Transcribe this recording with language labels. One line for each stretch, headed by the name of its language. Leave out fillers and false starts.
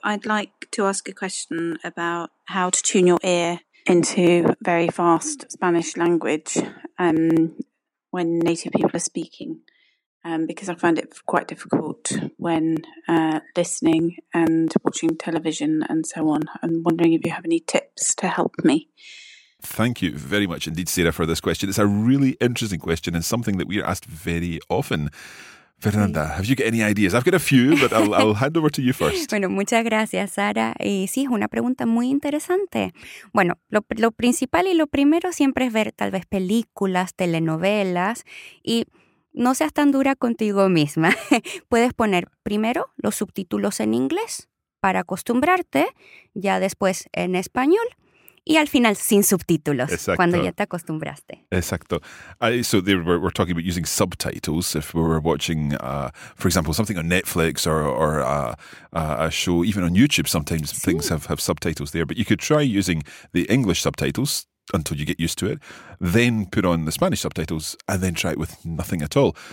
English: I'd like to ask a question about how to tune your ear into very fast Spanish language when native people are speaking, because I find it quite difficult when listening and watching television and so on. I'm wondering if you have any tips to help me. Thank you very much indeed, Sarah, for this question. It's a really interesting question and something that we are asked very often. Fernanda, have you got any ideas? I've got a few, but I'll hand over to you first.
Spanish: Bueno, muchas gracias, Sara. Y sí, es una pregunta muy interesante. Bueno, lo principal y lo primero siempre es ver tal vez películas, telenovelas. Y no seas tan dura contigo misma. Puedes poner primero los subtítulos en inglés para acostumbrarte, ya después en español. Y al final, sin subtítulos, exacto, cuando ya te acostumbraste. Exacto.
English: So we're talking about using subtitles if we were watching, for example, something on Netflix or a show, even on YouTube sometimes, sí, things have subtitles there. But you could try using the English subtitles until you get used to it, then put on the Spanish subtitles and then try it with nothing at all.